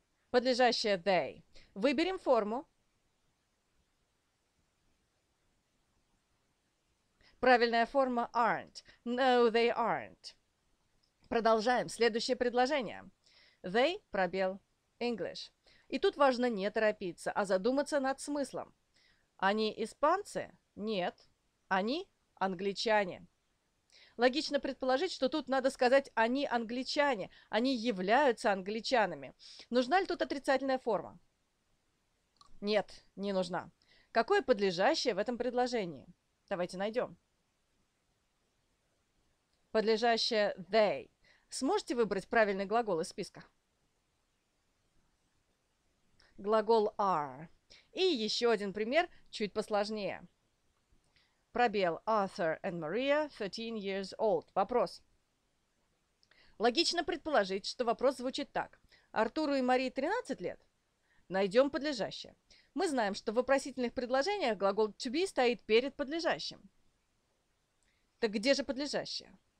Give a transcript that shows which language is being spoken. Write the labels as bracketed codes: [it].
[ru] Подлежащее they. Выберем форму. Правильная форма aren't. [en] No, they aren't. [ru] Продолжаем. Следующее предложение. [en] They, [ru] пробел, [en] English. [ru] И тут важно не торопиться, а задуматься над смыслом. Они испанцы? Нет. Они англичане. Логично предположить, что тут надо сказать «они англичане», «они являются англичанами». Нужна ли тут отрицательная форма? Нет, не нужна. Какое подлежащее в этом предложении? Давайте найдем. Подлежащее «they». Сможете выбрать правильный глагол из списка? Глагол «are». И еще один пример, чуть посложнее. Пробел [en] Arthur and Maria, 13 years old. [ru] Вопрос. Логично предположить, что вопрос звучит так. Артуру и Марии 13 лет? Найдем подлежащее. Мы знаем, что в вопросительных предложениях глагол to be стоит перед подлежащим. Так где же подлежащее?